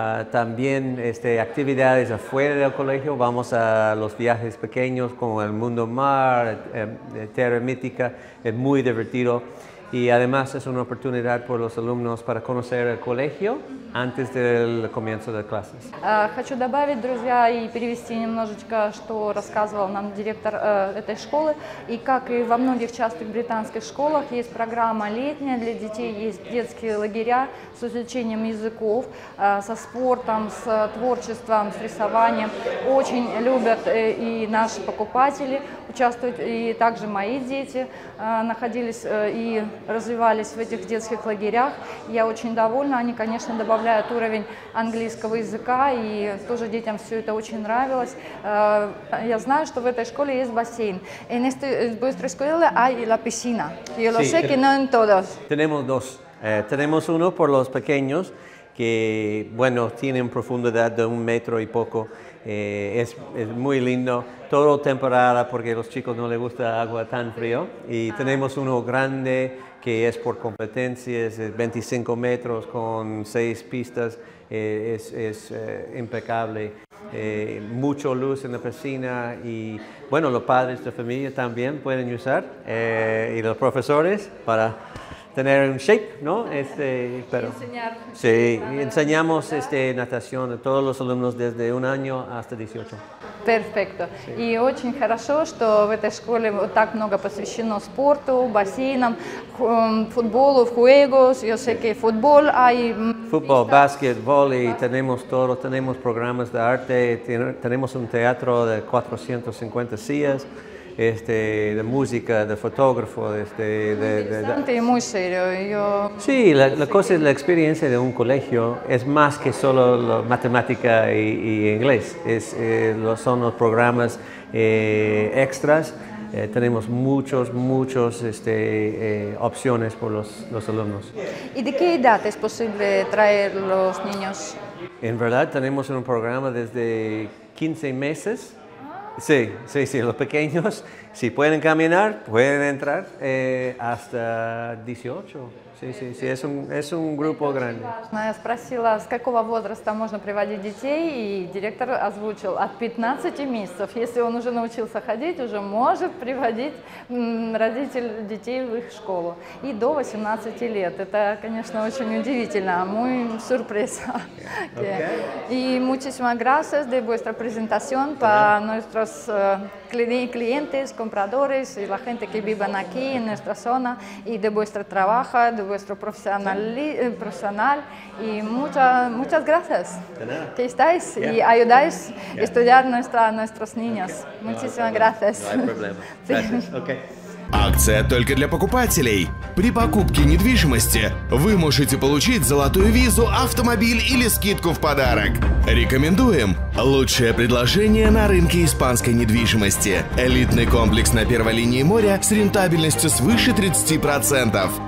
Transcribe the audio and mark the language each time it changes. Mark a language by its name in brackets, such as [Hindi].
[Spanish] También actividades afuera del colegio. Vamos a los viajes pequeños como el mundo mar, tierra mítica. Es muy divertido. Y además es una oportunidad para los alumnos para conocer el colegio antes del comienzo de clases. [Russian] Хочу добавить, друзья, и перевести немножечко, что рассказывал нам директор этой школы. И как и во многих частных британских школах, есть программа летняя для детей, есть детские лагеря с изучением языков, со спортом, с творчеством, с рисованием. Очень любят и наши покупатели участвовать, и также мои дети находились и развивались в этих детских лагерях. Я очень довольна. Они, конечно, добавляют уровень английского языка, и тоже детям все это очень нравилось. Я знаю, что в этой школе есть бассейн. [Spanish] En esta vuestra escuela hay la piscina. Yo lo sé que no en todas. Tenemos dos. Tenemos uno por los pequeños, que bueno, tienen profundidad de un metro y poco. Es muy lindo, todo temporada porque a los chicos no les gusta agua tan frío. Y tenemos uno grande que es por competencias, es 25 metros con 6 pistas, es impecable. Mucho luz en la piscina y bueno, los padres de familia también pueden usar y los profesores para tener un shake, ¿no? Pero sí, enseñamos natación a todos los alumnos desde un año hasta 18. Perfecto. [Russian] Sí. Y очень хорошо, что в этой школе так много посвящено спорту, бассейнам, футболу, juegos. [Spanish] Yo sé que fútbol hay. Fútbol, básquet, volei, tenemos todo, tenemos programas de arte, tenemos un teatro de 450 sillas. De música, de fotógrafo, Interesante y muy serio. Sí, la cosa es la experiencia de un colegio, es más que solo la matemática y inglés, son los programas extras, tenemos muchos, muchos opciones por los alumnos. ¿Y de qué edad es posible traer los niños? En verdad tenemos un programa desde 15 meses. Sí, sí, sí, los pequeños, si pueden caminar, pueden entrar hasta 18. Sí, es un grupo grande. [Russian] Я спросила, с какого возраста можно приводить детей, и директор озвучил, от 15 месяцев. Если он уже научился ходить, уже может приводить родитель детей в их школу. И до 18 лет. Это, конечно, очень удивительно. Мой сюрприз. [English] Okay. [Spanish] Y muchísimas gracias de vuestra presentación para nuestros clientes, compradores y la gente que viven aquí en nuestra zona y de vuestro trabajo, de vuestro profesional y muchas gracias que estáis y ayudáis a estudiar nuestros niños. Okay. Muchísimas gracias. No hay problema. Gracias. Okay. [Russian] Акция только для покупателей. При покупке недвижимости вы можете получить золотую визу, автомобиль или скидку в подарок. Рекомендуем. Лучшее предложение на рынке испанской недвижимости. Элитный комплекс на первой линии моря с рентабельностью свыше 30%.